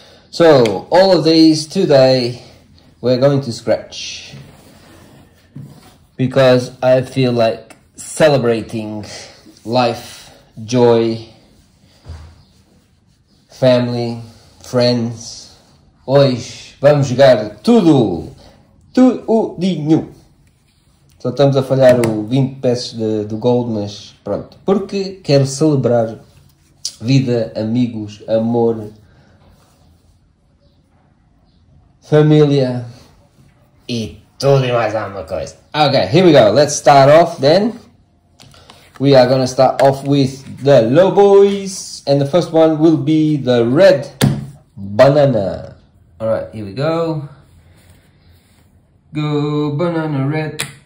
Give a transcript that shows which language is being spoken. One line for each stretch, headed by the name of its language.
English: So all of these today we're going to scratch because I feel like celebrating life, joy, family, friends,
Portuguese: hoje vamos jogar tudo. Tudinho. Só estamos a falhar o 20 peças do gold, mas pronto. Porque quero celebrar vida, amigos, amor, família e tudo e mais alguma coisa.
English: Ok, here we go. Let's start off then. We are going to start off with the low boys. And the first one will be the red banana. Alright, here we go. Go banana red.